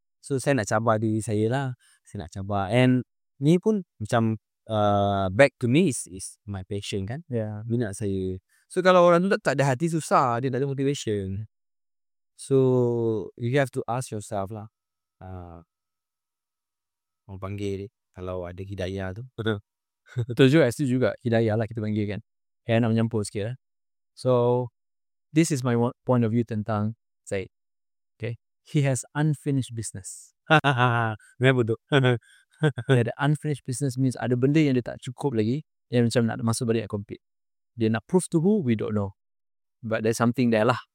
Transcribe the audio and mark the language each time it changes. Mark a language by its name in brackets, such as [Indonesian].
[Malay] So saya nak cabar diri saya lah. Saya nak cabar. And ni pun macam [English] back to me is my passion [Malay] kan. [English] Yeah. [Malay] Minat saya. So kalau orang tu tak ada hati, susah dia tak ada motivation. [English] So you have to ask yourself lah. [Malay] Orang panggil ni kalau ada hidayah tu. Betul juga, itu juga hidayah lah kita panggil kan. Ya, nak menyampul sikit lah. [English] So this is my point of view tentang Zaid. Okay, he has unfinished business. [Malay] Memang tu. Yeah, [English] the unfinished business means [Malay] ada benda yang dia tak cukup lagi, yang macam nak masuk balik nak compete. Dia nak [English] prove to who, we don't know, but there's something there lah.